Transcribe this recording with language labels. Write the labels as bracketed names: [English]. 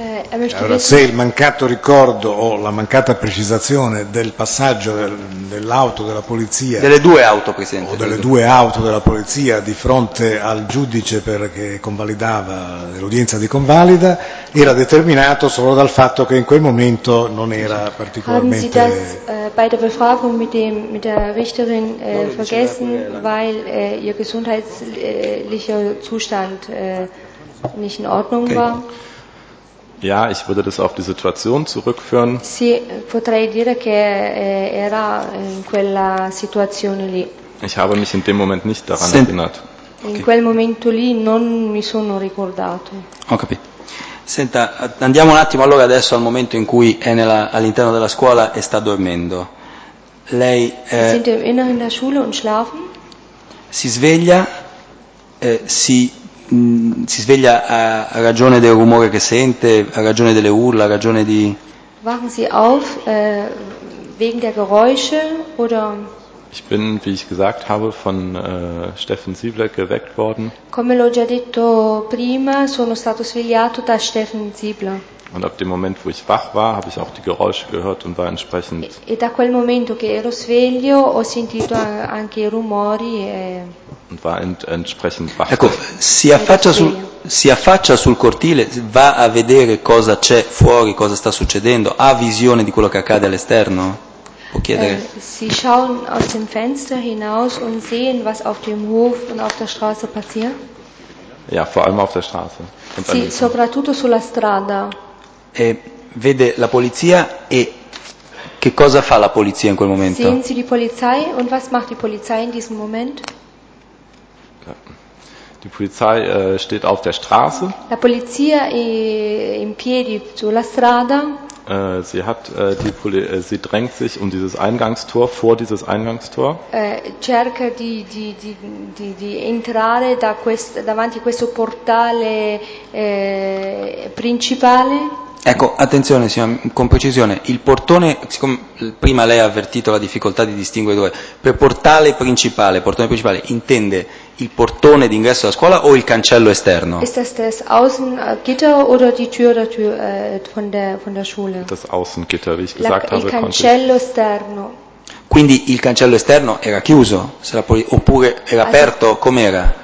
[Italian] Allora, se il mancato ricordo o la mancata precisazione del passaggio dell'auto della polizia, delle due auto, Presidente, o delle due auto della polizia di fronte al giudice perché convalidava l'udienza di convalida era determinato solo dal fatto che in quel momento non era particolarmente [German] haben Sie das bei der Befragung mit der Richterin vergessen weil ihr gesundheitlicher Zustand nicht in Ordnung war. Ja, ich würde das auf die Situation zurückführen. [Italian] Sì, potrei dire che era in quella situazione lì. [German] Ich habe mich in dem Moment nicht daran erinnert. [Italian] In quel momento lì non mi sono ricordato. Ho capito. Senta, andiamo un attimo allora adesso al momento in cui è all'interno della scuola e sta dormendo. Lei [German] Sind im Inneren der Schule und schlafen? [Italian] Si sveglia si sveglia a ragione del rumore che sente, a ragione delle urla, a ragione di... [German] Wachen Sie auf wegen der Geräusche oder... Ich bin, wie ich gesagt habe, von Steffen Siebler geweckt worden. [Italian] Come l'ho già detto prima, sono stato svegliato da Steffen Siebler. [German] Und ab dem Moment, wo ich wach war, habe ich auch die Geräusche gehört und war entsprechend... [Italian] E da quel momento che ero sveglio ho sentito anche i rumori e... [German] Und war entsprechend wach. [Italian] Ecco, si affaccia sul cortile, va a vedere cosa c'è fuori, cosa sta succedendo, ha visione di quello che accade all'esterno? Può chiedere? [German] Si schauen aus dem Fenster hinaus und sehen was auf dem Hof und auf der Straße passiert? Ja, vor allem auf der Straße. [Italian] Sì, soprattutto sulla strada. E vede la polizia e che cosa fa la polizia in quel momento? [German] Sehen Sie die Polizei und was macht die Polizei in diesem Moment? Die Polizei steht auf der Straße. [Italian] La polizia è in piedi sulla strada. [German] Sie drängt sich um dieses Eingangstor, vor dieses Eingangstor. [Italian] Cerca di entrare davanti a questo portale principale. Ecco, attenzione, con precisione, il portone, siccome prima lei ha avvertito la difficoltà di distinguere due, per portale principale intende il portone d'ingresso alla scuola o il cancello esterno? [German] Ist das das Außengitter oder die Tür der Tür, von der Schule? Das Außengitter, wie ich gesagt habe, [Italian] il cancello esterno. Quindi il cancello esterno era chiuso, oppure era aperto, com'era?